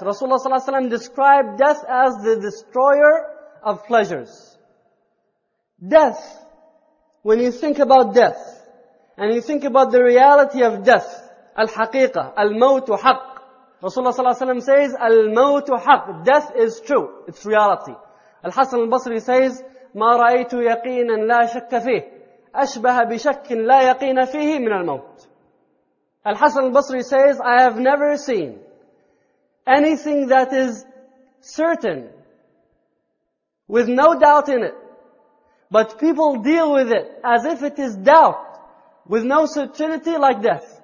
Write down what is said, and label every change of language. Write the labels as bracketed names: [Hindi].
[English] Rasulullah ﷺ described death as the destroyer of pleasures. Death, when you think about death, and you think about the reality of death, [Arabic] الحقيقة, الموت حق. [English] Rasulullah ﷺ says, [Arabic] الموت حق. [English] Death is true, it's reality. Al-Hasan al-Basri says, [Arabic] ما رأيت يقينا لا شك فيه أشبه بشك لا يقين فيه من الموت. [English] Al-Hasan al-Basri says, I have never seen anything that is certain, with no doubt in it, but people deal with it as if it is doubt, with no certainty like death.